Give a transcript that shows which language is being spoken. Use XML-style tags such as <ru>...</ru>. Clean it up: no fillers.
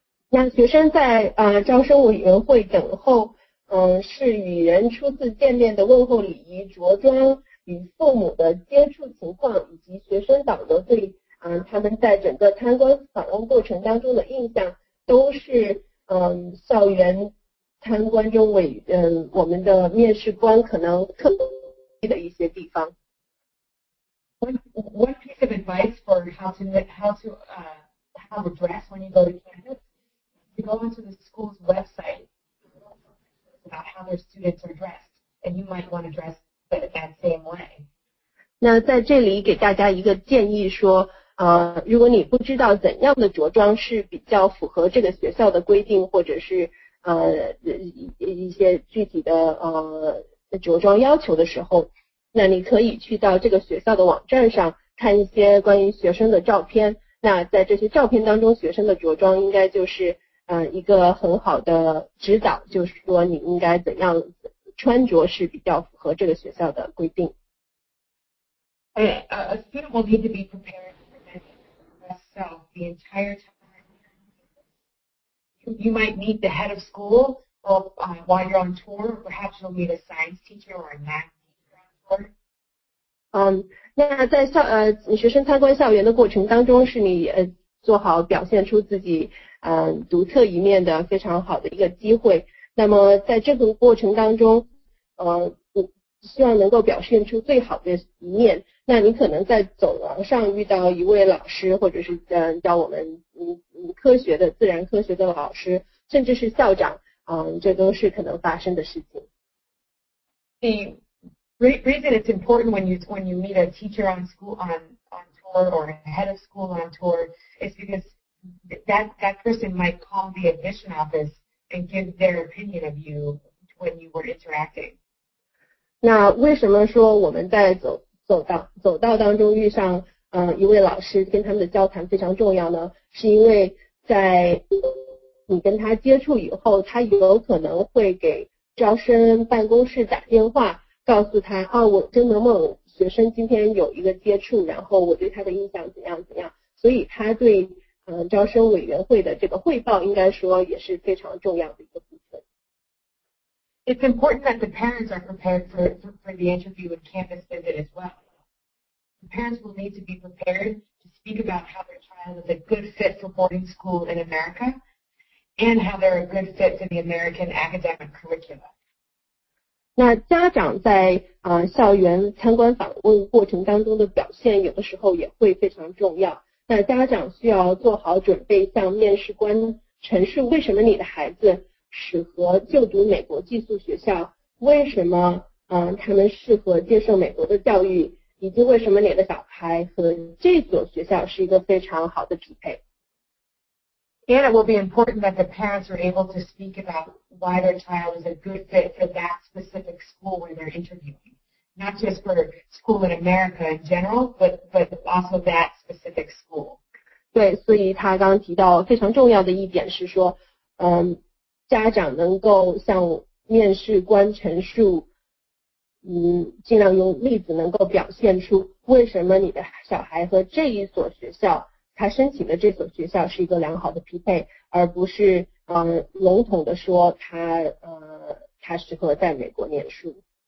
<zh>那学生在招生委员会等候，是与人初次见面的问候礼仪、着装、与父母的接触情况，以及学生导游对他们在整个参观访问过程当中的印象，都是校园参观中我们的面试官可能特别的一些地方。</zh> <en>One piece of advice for how to address when you go to campus, you go into the school's website about how their students are dressed, and you might want to dress that same way.</en> <zh>那在这里给大家一个建议说，如果你不知道怎样的着装是比较符合这个学校的规定，或者是一些具体的着装要求的时候，那你可以去到这个学校的网站上看一些关于学生的照片，那在这些照片当中学生的着装应该就是一个很好的指导，就是说你应该怎样穿着是比较符合这个学校的规定。</zh> <en>A student will need to be prepared to present themselves the entire time. You might meet the head of school while you're on tour. Perhaps you'll meet a science teacher or a math teacher on tour.</en> <zh>那在校你学生参观校园的过程当中，是你做好表现出自己独特一面的非常好的一个机会。那么在这个过程当中，希望能够表现出最好的一面。那你可能在走廊上遇到一位老师，或者是叫我们科学的自然科学的老师，甚至是校长，这都是可能发生的事情。</zh> <en>Reason it's important when you meet a teacher on school on tour or a head of school on tour is because that person might call the admission office and give their opinion of you when you were interacting.</en> <zh>那为什么说我们在走道当中遇上一位老师，跟他们的交谈非常重要呢？是因为在你跟他接触以后，他有可能会给招生办公室打电话，告诉他我跟某某学生今天有一个接触，然后我对他的印象怎样怎样，所以他对招生委员会的这个汇报应该说也是非常重要的一个部分。</zh> <en>It's important that the parents are prepared for the interview and campus visit as well. The parents will need to be prepared to speak about how their child is a good fit for boarding school in America and how they're a good fit for the American academic curriculum.</en> <zh>那家长在校园参观访问过程当中的表现有的时候也会非常重要。那家长需要做好准备，向面试官陈述为什么你的孩子适合就读美国寄宿学校，为什么他们适合接受美国的教育，以及为什么你的小孩和这所学校是一个非常好的匹配。</zh> <en>And it will be important that the parents are able to speak about why their child is a good fit for that specific school where they're interviewing. Not just for school in America in general, but also that specific school.</en> <zh>对，所以他刚提到非常重要的一点是说，家长能够向面试官陈述，尽量用例子能够表现出为什么你的小孩和这一所学校他申请的这所学校是一个良好的匹配，而不是笼统的说他适合在美国念书。</zh>